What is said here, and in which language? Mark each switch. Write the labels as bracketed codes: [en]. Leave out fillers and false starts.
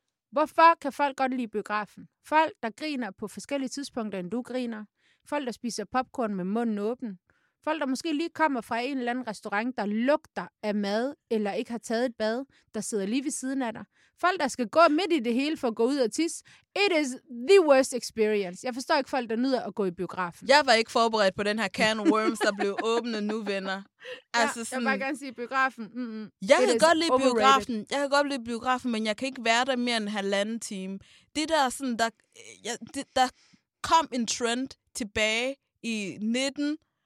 [da] Hvorfor kan folk godt lide biografen? Folk, der griner på forskellige tidspunkter, end du griner. Folk, der spiser popcorn med munden åben. Folk, der måske lige kommer fra en eller anden restaurant, der lugter af mad, eller ikke har taget et bad, der sidder lige ved siden af dig. Folk, der skal gå midt i det hele for at gå ud og tisse. [en] It is the worst experience. [da] Jeg forstår ikke folk, der nyder at gå i biografen. Jeg var ikke forberedt på den her [en] can of worms, [da] der blev åbnet nu, venner. Altså, ja, sådan, jeg vil gerne sige biografen. Jeg kan godt lide biografen. Jeg kan godt lide biografen, men jeg kan ikke være der mere end en halvanden time. Det der sådan, der kom en trend tilbage i 19.